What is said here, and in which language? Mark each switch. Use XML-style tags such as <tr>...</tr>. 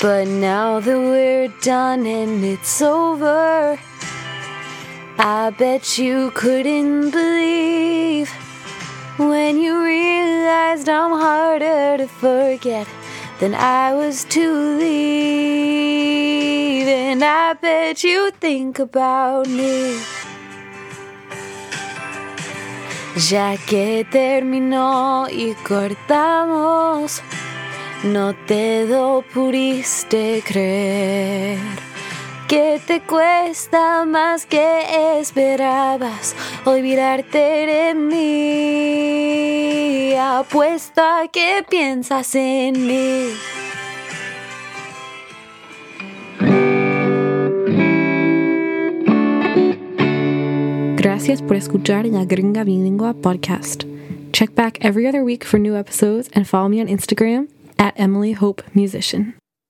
<en>But now that we're done and it's over, I bet you couldn't believe when you realized I'm harder to forget than I was to leave. And I bet you think about me.</en> <es>Ya que terminó y cortamos, no te lo pudiste creer. ¿Qué te cuesta más que esperabas olvidarte de mí? Apuesto a que piensas en mí. Gracias por escuchar La Gringa Bilingua podcast.</es> <en>Check back every other week for new episodes and follow me on Instagram @EmilyHopeMusician.</en>